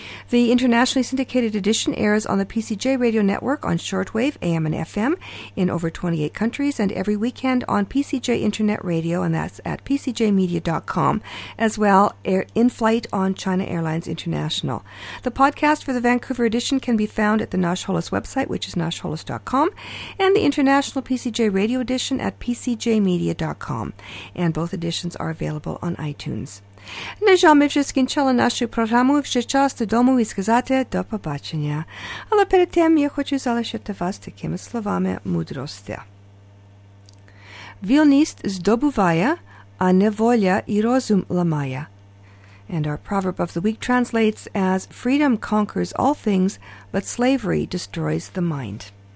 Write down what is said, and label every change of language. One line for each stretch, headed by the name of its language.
English: The internationally syndicated edition airs on the PCJ Radio Network on shortwave, AM and FM, in over 28 countries, and every weekend on PCJ Internet Radio, and that's at pcjmedia.com, as well in flight on China Airlines International. The podcast for the Vancouver edition can be found at the Nash Holos website, which is nashholos.com, and the International PCJ Radio Edition at pcjmedia.com. And both editions are available on iTunes.
Ukrainian: Нежам ми вже скінчили нашу програму. Вже час додому і сказати до побачення. Але перед тим я хочу залишити вас такими словами мудрості. Вільність здобуває, а неволя і розум ламає.
English: And our proverb of the week translates as, freedom conquers all things, but slavery destroys the mind.